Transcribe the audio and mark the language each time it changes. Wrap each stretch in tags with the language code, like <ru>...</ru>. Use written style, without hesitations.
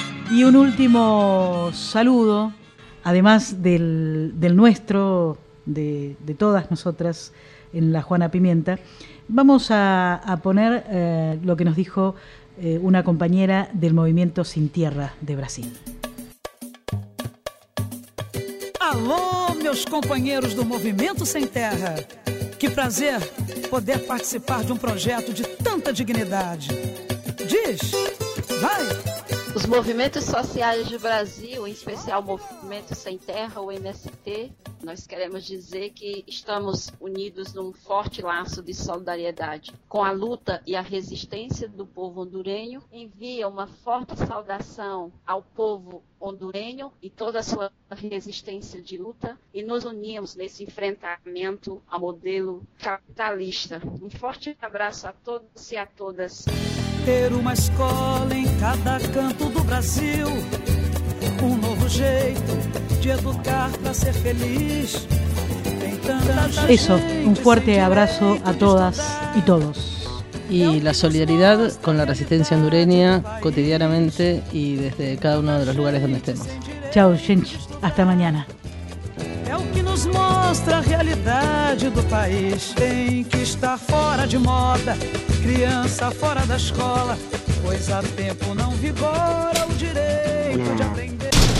<es>Y un último saludo, además del nuestro, de todas nosotras en La Juana Pimienta, Vamos a poner lo que nos dijo una compañera del Movimiento Sin Tierra de Brasil.</es> <pt>Alô, meus companheiros do Movimento Sem Terra. Que prazer poder participar de projeto de tanta dignidade. Diz, vai! Os movimentos sociais do Brasil, em especial o Movimento Sem Terra, o MST, nós queremos dizer que estamos unidos num forte laço de solidariedade. Com a luta e a resistência do povo hondurenho, envia uma forte saudação ao povo hondurenho e toda a sua resistência de luta, e nos unimos nesse enfrentamento ao modelo capitalista. Um forte abraço a todos e a todas. Ter uma escola em cada canto do Brasil, um novo jeito de educar para ser feliz. Tem tanta gente. Isso, um forte abraço a todas e todos.</pt> <es>Y la solidaridad con la resistencia hondureña cotidianamente y desde cada uno de los lugares donde estemos. Chao, gente. Hasta mañana.</es> <pt>É o que nos mostra a realidade do país. Tem que estar fora de moda, criança fora da escola, pois há tempo não vigora o direito de aprender.</pt>